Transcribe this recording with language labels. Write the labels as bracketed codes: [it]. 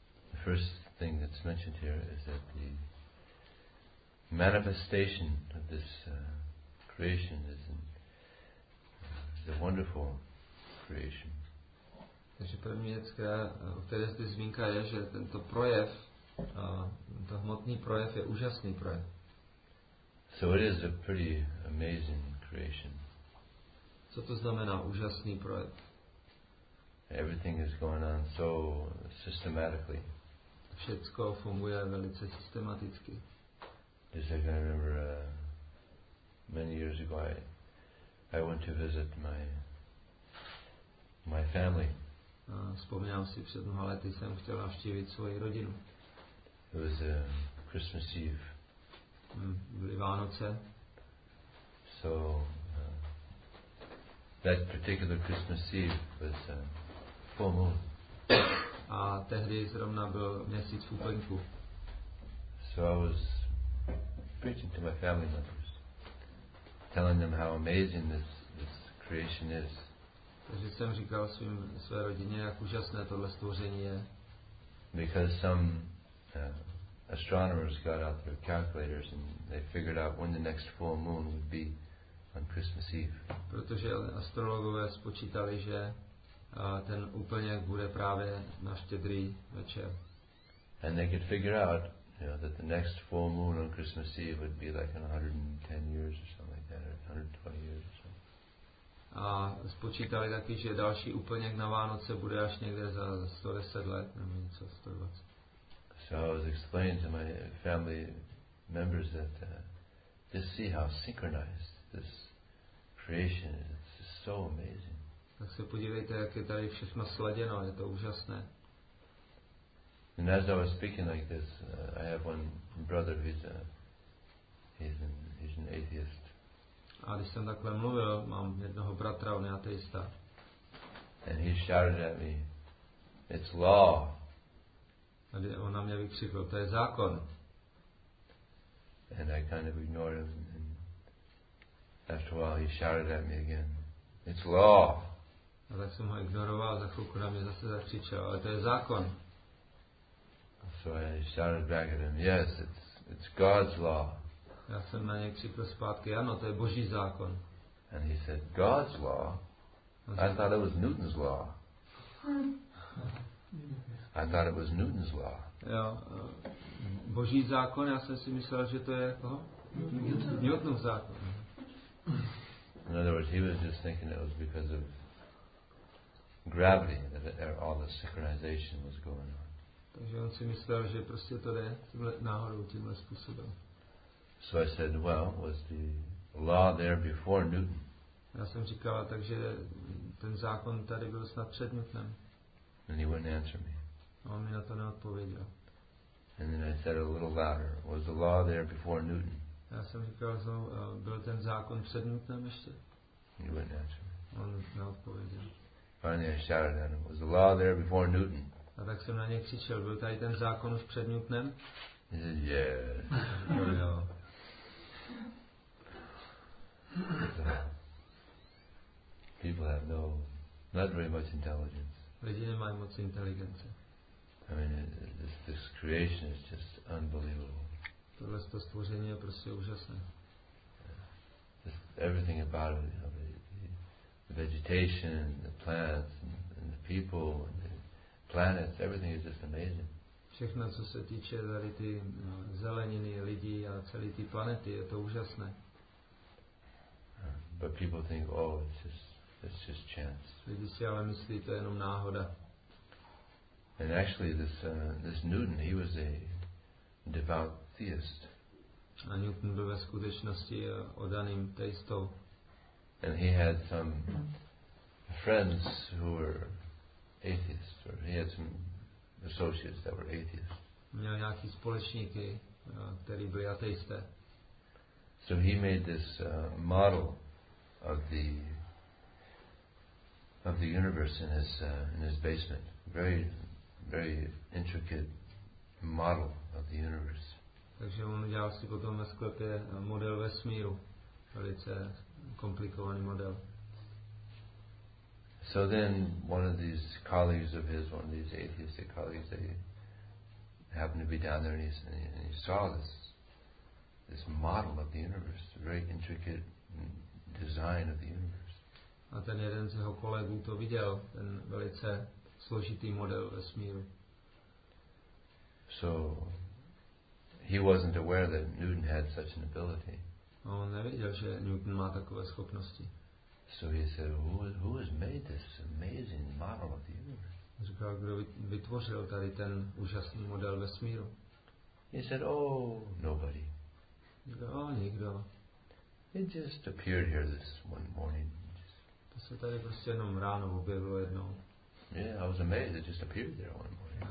[en] The first thing that's mentioned here is that the manifestation of this creation is a wonderful creation. [cs] Takže první věc, o které zde zmínka je, že tento projev to hmotný projev je úžasný projev. [en] So it is a pretty amazing creation. [cs] Co to znamená úžasný projev? [en] Everything is going on so systematically. [cs] Všecko funguje velice systematicky. [en] Just like I remember many years ago I went to visit my family. [cs] Vzpomínám si, před mnoha lety jsem chtěl navštívit svoji rodinu. [en] It was a Christmas Eve. [cs] Byly Vánoce. [en] So that particular Christmas Eve was a full moon. [cs] A tehdy zrovna byl měsíc v úplňku. [en] So I was preaching to my family members, telling them how amazing this creation is. [cs] Takže jsem říkal své rodině, jak úžasné tohle stvoření je. [en] Because some astronomers got out their calculators and they figured out when the next full moon would be on Christmas Eve. [cs] Protože astrologové spočítali, že ten úplněk bude právě na Štědrý večer. [en] And they could figure out, you know, that the next full moon on Christmas Eve would be like in 110 years or something like that, or 120 years or something. [cs] A spočítali taky, že další úplněk na Vánoce bude až někde za 110 let, nebo něco 120. [en] So I was explaining to my family members that just see how synchronized this creation is. It's just so amazing. [cs] Tak se podívejte, jak je tady všechno sladěno. Je to úžasné. [en] And as I was speaking like this, I have one brother who's an atheist. [cs] A když jsem takhle mluvil, mám jednoho bratra, on je ateista. [en] And he shouted at me, It's law. [cs] Aby on na mě vykřikl, to je zákon. [en] And I kind of ignored him. And after a while, he shouted at me again. It's law. [cs] A tak jsem ho ignoroval, za chvilku na mě zase zakřičel, ale to je zákon. [en] So I shouted back at him, yes, it's God's law. [cs] Já jsem na něj křikl zpátky, ano, to je Boží zákon. [en] And he said, God's law? I thought it was Newton's law. I thought it was Newton's law. [cs] Jo, Boží zákon, já jsem si myslel, že to je koho? Newtonův zákon. [en] In other words, he was just thinking it was because of gravity that all the synchronization was going on. [cs] Takže on si myslel, že prostě to jde tímhle náhodou, tímhle způsobem. [en] So I said, well, was the law there before Newton? [cs] Já jsem říkal, takže ten zákon tady byl snad před Newtonem. [en] And he wouldn't answer me. [cs] A on mi na to neodpověděl. [en] And then I said a little louder, was the law there before Newton? [cs] Já jsem říkal znovu, byl ten zákon před Newtonem ještě? [en] He wouldn't answer me. [cs] On neodpověděl. [en] Finally I shouted at him, was the law there before Newton? [cs] A tak jsem na něj křičel, byl tady ten zákon už před Newtonem? [en] He said, yes. [cs] Oh, jo. [en] People have not very much intelligence. [cs] Lidi nemají moc inteligence. [en] I mean, this creation is just unbelievable. [cs] Tohle stvoření je prostě úžasné. [en] Everything about it, you know, the vegetation, the plants, and the people, and the planets, everything is just amazing. [cs] Všechno, co se týče tady ty zeleniny, lidí a celé ty planety, je to úžasné. [en] But people think, oh, it's just chance. [cs] Lidi si ale myslí, to je jenom náhoda. [en] And actually, this Newton, he was a devout theist. [cs] A Newton byl ve skutečnosti oddaným teistou. [en] And he had some friends who were atheists, or he had some associates that were atheists. [cs] Měl nějaký společníky, který byli ateisté. [en] So he made this model of the universe in his basement. Very, very intricate model of the universe. [cs] Takže on udělal si potom ve sklepě model vesmíru. Velice komplikovaný model. [en] So then one of these colleagues of his, one of these atheistic colleagues, they happened to be down there and he saw this model of the universe, very intricate design of the universe. [cs] A ten jeden z jeho kolegů to viděl, ten velice složitý model vesmíru. [en] So he wasn't aware that Newton had such an ability. [cs] A on nevěděl, že Newton má takové schopnosti. [en] So he said, who has made this amazing model of the universe? [cs] Říkal, kdo vytvořil tady ten úžasný model vesmíru? [en] He said, oh, nobody. [cs] Říkal, oh, nikdo. [en] It just appeared here this one morning. [cs] To se tady prostě jenom ráno objevilo jednou. [en] Yeah, I was amazed. It just appeared there one morning.